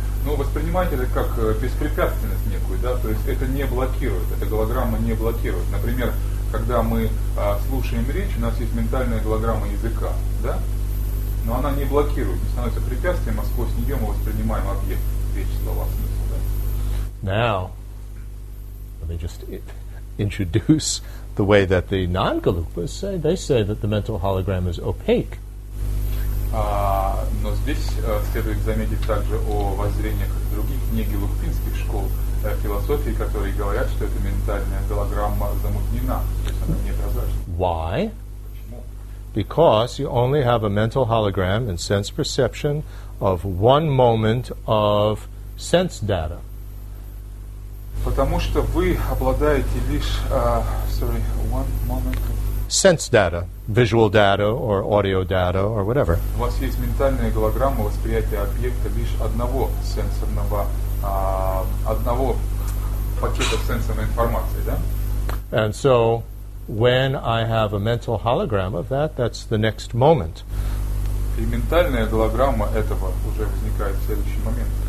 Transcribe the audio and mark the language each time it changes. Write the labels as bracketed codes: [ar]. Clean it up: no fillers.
[ru] Ну, воспринимайте это как беспрепятственность некую, да, то есть это не блокирует, эта голограмма не блокирует. Например, когда мы слушаем речь, у нас есть ментальная голограмма языка, да, но она не блокирует, не становится препятствием, а сквозь нее мы воспринимаем объект, речь, слова, смысл, да. [en] Now, let me just introduce the way that the non-galupas say. They say that the mental hologram is opaque. [ru] Но здесь следует заметить также о воззрениях других негелугпинских школ философии, которые говорят, что эта ментальная голограмма замутнена, то есть она не прозрачна. [en] Why? [ru] Почему? [en] Because you only have a mental hologram and sense perception of one moment of sense data. [ru] Потому что вы обладаете лишь [en] one moment of sense data, visual data or audio data or whatever. [ru] У вас есть ментальная голограмма восприятия объекта лишь одного сенсорного одного пакета сенсорной информации, да? [en] And so when I have a mental hologram of that, that's the next moment. [ru] И ментальная голограмма этого уже возникает в следующий момент.